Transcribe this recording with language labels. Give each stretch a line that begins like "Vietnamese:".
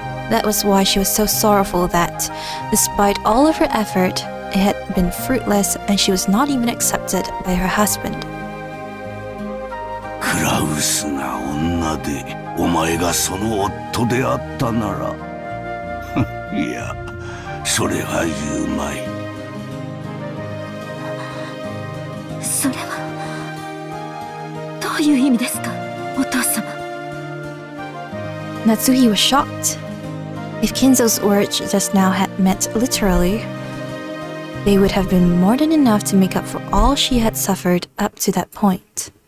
English: That was why she was so sorrowful that, despite all of her effort, it had been fruitless and she was not even accepted by her husband.
Japanese: クラウスが女でお前がその夫であったならいやそれは言うまい。それはどういう意味ですか、お父様。
English: Natsuhi was shocked. If Kinzo's words just now had meant literally, they would have been more than enough to make up for all she had suffered up to that point.